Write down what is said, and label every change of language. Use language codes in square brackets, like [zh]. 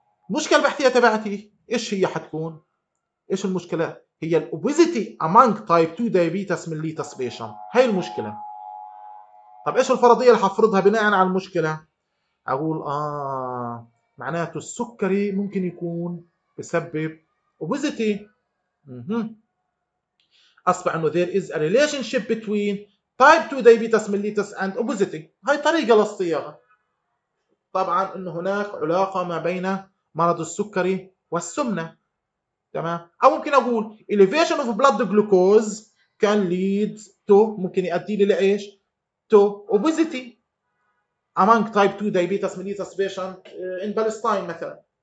[ar] المشكلة البحثية تبعتي إيش هي حتكون؟ إيش المشكلة؟ هي الأوبيزيتي [en] among type 2 diabetes mellitus patient. [ar] هاي المشكلة. طب إيش الفرضية اللي حفرضها بناء على المشكلة؟ أقول معناته السكري ممكن يكون بسبب أوبيزيتي. أصبح أنه [en] there is a relationship between type 2 diabetes mellitus and obesity. [ar] هاي طريقة للصياغة. طبعا انه هناك علاقة ما بين مرض السكري والسمنة. تمام؟ او ممكن اقول [en] elevation of blood glucose can lead to [ar] ممكن يؤدي لإيش؟ [en] to obesity among type 2 diabetes mellitus patient in Palestine [ar] مثلا.